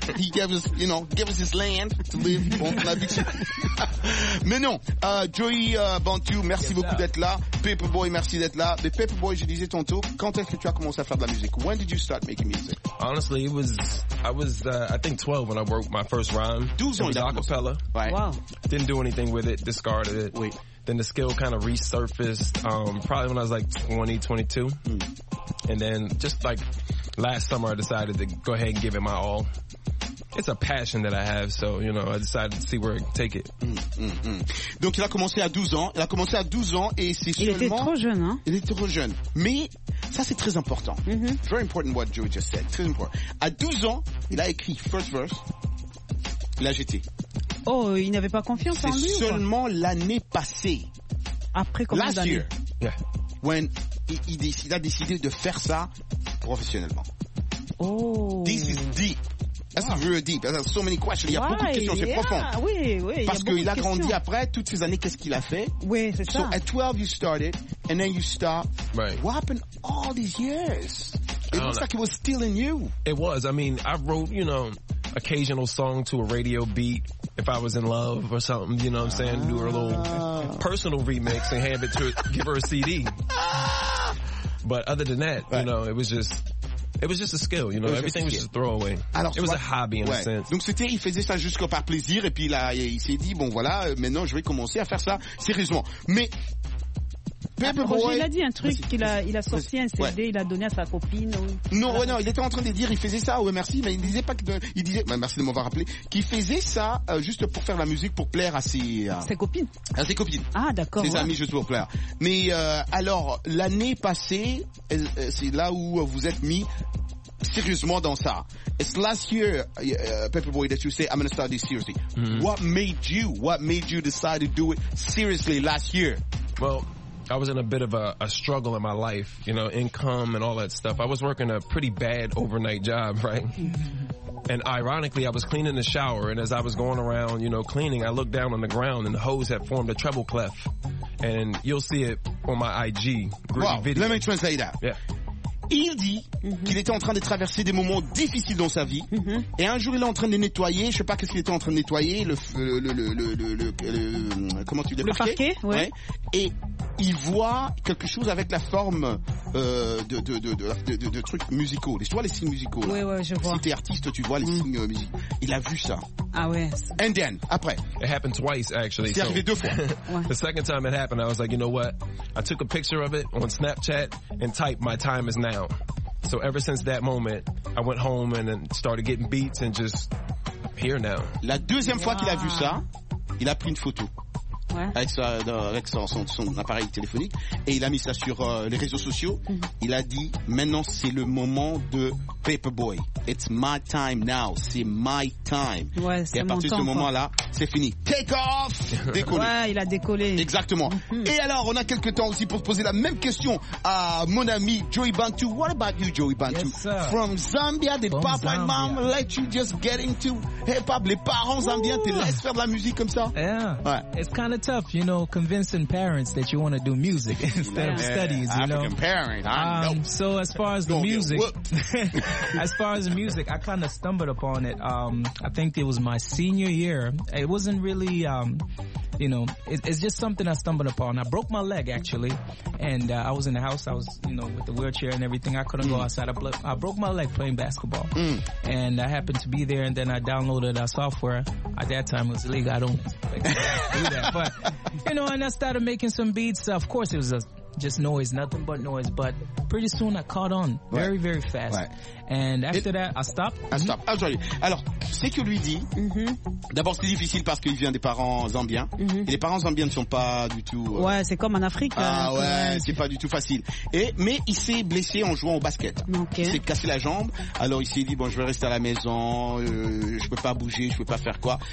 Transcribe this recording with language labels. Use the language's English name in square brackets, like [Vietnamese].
[English] He gave us, you know, gave us his land to live. [French] On l'a vu. Mais non, Joey Bantu, merci beaucoup d'être là. Paperboy, merci d'être là. Mais Paperboy, je disais tantôt, quand est-ce que tu as commencé à faire de la musique? [English] When did you start making music? Honestly, I think 12 when I wrote my first rhyme. 12 on acapella. Right. Wow. Didn't do anything with it, discarded it. Wait. Then the skill kind of resurfaced probably when I was like 20, 22. And then just like last summer, I decided to go ahead and give it my all. It's a passion that I have, so, you know, I decided to see where to take it. [French] Donc, il a commencé à 12 ans. Il a commencé à 12 ans et c'est seulement... Il était trop jeune, hein? Il était trop jeune. Mais ça, c'est très important. [English] Very important what Joey just said. [French] Très important. À 12 ans, il a écrit [English] first verse. [French] Il a jeté. Oh, il n'avait pas confiance c'est en lui? C'est seulement l'année passée. Après combien d'années? [English] Last year. Yeah. When [French] il a décidé de faire ça professionnellement. Oh. [English] This is deep. That's real deep. That's so many questions. Why? [French] Il y a beaucoup de questions, c'est profond. Oui, oui. Parce qu'il a grandi après, toutes ces années, qu'est-ce qu'il a fait? Oui, c'est ça. [English] So at 12, you started, and then you stopped. Right. What happened all these years? It looks like it was still in you. It was. I mean, I wrote, you know, occasional song to a radio beat if I was in love or something, you know what I'm saying? Do her a little personal remix and hand it to her, give her a CD. But other than that, you know, it was just a skill, you know. Everything was just a throwaway. [French] Alors, [English] it was a hobby in a sense. [French] Donc c'était, il faisait ça juste par plaisir et puis là, il s'est dit, bon voilà, maintenant je vais commencer à faire ça sérieusement. Mais... Il a dit un truc, qu'il a sorti un CD, il a donné à sa copine. Non, il était en train de dire, il faisait ça, ouais merci, mais il disait pas que, il disait, bah, merci de m'avoir rappelé, qu'il faisait ça juste pour faire la musique, pour plaire à ses copines. Ah d'accord. Ses amis juste pour plaire. Mais alors l'année passée, c'est là où vous êtes mis sérieusement dans ça. [English] It's last year, Paperboy, that you say I'm gonna start this seriously. Mm-hmm. What made you decide to do it seriously last year? Well, I was in a bit of a struggle in my life, you know, income and all that stuff. I was working a pretty bad overnight job, right? And ironically, I was cleaning the shower, and as I was going around, you know, cleaning, I looked down on the ground, and the hose had formed a treble clef. And you'll see it on my IG. Wow, video. Let me translate that. Yeah. [French] Il dit qu'il était en train de traverser des moments difficiles dans sa vie. Et un jour, il est en train de nettoyer, je sais pas qu'est-ce qu'il était en train de nettoyer, le parquet. Ouais. Ouais. Et il voit quelque chose avec la forme, de trucs musicaux. Tu vois les signes musicaux, là? Ouais, je vois. Si t'es artiste, tu vois les signes musicaux. Il a vu ça. Ah ouais. [English] And then, [French] après. [English] It happened twice, actually. [French] C'est arrivé deux fois. [English] The second time it happened, I was like, you know what? I took a picture of it on Snapchat and typed my time is now. So ever since that moment, I went home and started getting beats and just here now. [French] La deuxième fois qu'il a vu ça, il a pris une photo. Ouais. Avec son appareil téléphonique et il a mis ça sur les réseaux sociaux. Il a dit maintenant c'est le moment de Paperboy. [English] It's my time now. [French] C'est [English] my time. [French] Ouais, c'est et à partir mon de ce temps, moment quoi. Là, c'est fini. [English] Take off. [French] Décollé. Ouais, il a décollé. Exactement. Et alors on a quelques temps aussi pour poser la même question à mon ami Joey Bantu. [English] What about you, Joey Bantu? Yes, sir. From Zambia, the from papa Zambia. And mom let you just get into hip hop. [French] Les parents zambiens te laissent faire de la musique comme ça? [English] Yeah. [French] Ouais. [English] It's kind of tough, you know, convincing parents that you want to do music instead of studies, you African know. Parent, so as far as the music, as far as the music, I kind of stumbled upon it. I think it was my senior year. It wasn't really, you know, it's just something I stumbled upon. I broke my leg, actually, and I was in the house. I was, you know, with the wheelchair and everything. I couldn't go outside. I broke my leg playing basketball, and I happened to be there, and then I downloaded a software. At that time, it was illegal. I don't do that. But, you know, and I started making some beats. Of course, it was just noise, nothing but noise. But pretty soon, I caught on very, very fast. Right. And after that, I stopped. [French] Alors, ce que lui dit, d'abord, c'est difficile parce qu'il vient des parents zambiens. Et les parents zambiens ne sont pas du tout... Ouais, c'est comme en Afrique. C'est pas du tout facile. Mais il s'est blessé en jouant au basket. [English] Okay. [French] Il s'est cassé la jambe. Alors, il s'est dit, bon, je vais rester à la maison. Je peux pas bouger, je peux pas faire quoi.